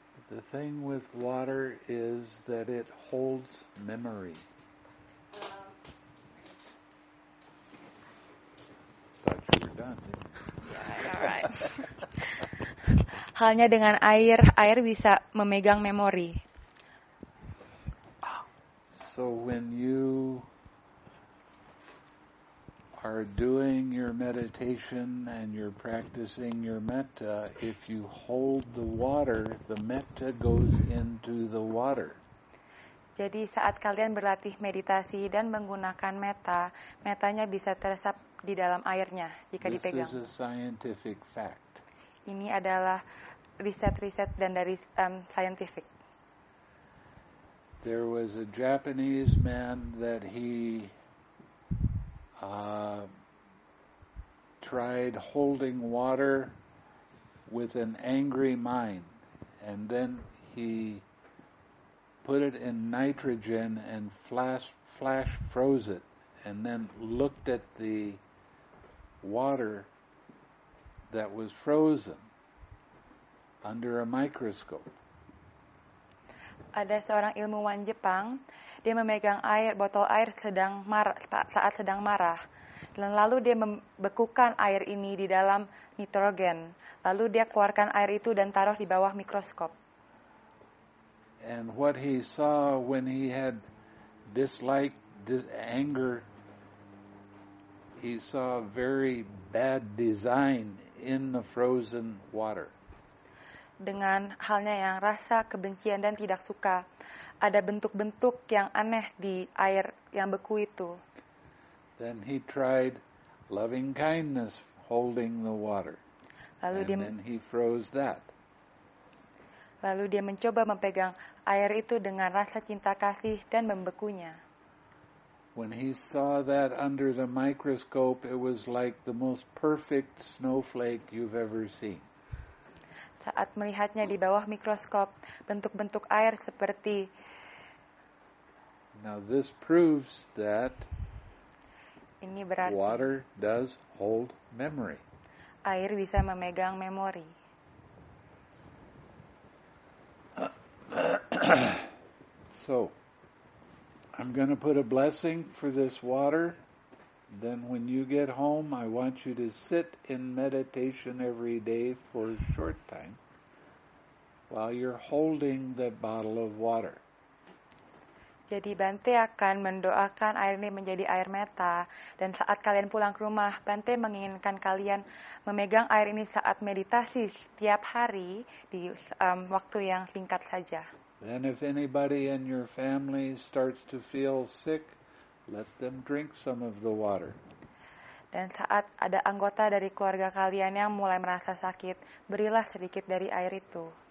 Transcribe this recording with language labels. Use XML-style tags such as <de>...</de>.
<en>The thing with water is that it holds memory. Thought you were done, didn't you? Alright.</en> <id>Halnya dengan air, air bisa memegang memori.</id> <en>So when you are doing your meditation and you're practicing your metta, if you hold the water, the metta goes into the water.</en> <id>Jadi saat kalian berlatih meditasi dan menggunakan metta, metanya bisa teresap di dalam airnya jika</id> <en>this</en> <id>dipegang.</id> <en>This is a scientific fact.</en> <id>Ini adalah riset-riset dan dari scientific.</id> <en>There was a Japanese man that he tried holding water with an angry mind, and then he put it in nitrogen and flash froze it, and then looked at the water that was frozen under a microscope.</en> <id>Ada seorang ilmuwan Jepang, dia memegang air, botol air sedang marah, saat sedang marah. Dan lalu dia membekukan air ini di dalam nitrogen. Lalu dia keluarkan air itu dan taruh di bawah mikroskop.</id> <en>And what he saw when he had dislike, anger, he saw very bad design in the frozen water.</en> <id>Dengan halnya yang rasa kebencian dan tidak suka, ada bentuk-bentuk yang aneh di air yang beku itu.</id> <en>Then he tried loving kindness holding the water.</en> <id>Lalu</id> <en>and</en> <id>dia,</id> <en>then he froze that.</en> <id>Lalu dia mencoba memegang air itu dengan rasa cinta kasih dan membekunya.</id> <en>When he saw that under the microscope, it was like the most perfect snowflake you've ever seen.</en> <id>Saat melihatnya di bawah mikroskop, bentuk-bentuk air seperti.</id> <en>Now this proves that</en> <id>ini berarti</id> <en>water does hold memory.</en> <id>Air bisa memegang memori.</id> <en>So, I'm going to put a blessing for this water. Then when you get home, I want you to sit in meditation every day for a short time while you're holding the bottle of water.</en> <id>Jadi Bante akan mendoakan air ini menjadi air metta, dan saat kalian pulang ke rumah, Bante menginginkan kalian memegang air ini saat meditasi setiap hari di waktu yang singkat saja.</id> <en>Then if anybody in your family starts to feel sick, let them drink some of the water.</en> <id>Dan saat ada anggota dari keluarga kalian yang mulai merasa sakit, berilah sedikit dari air itu.</id>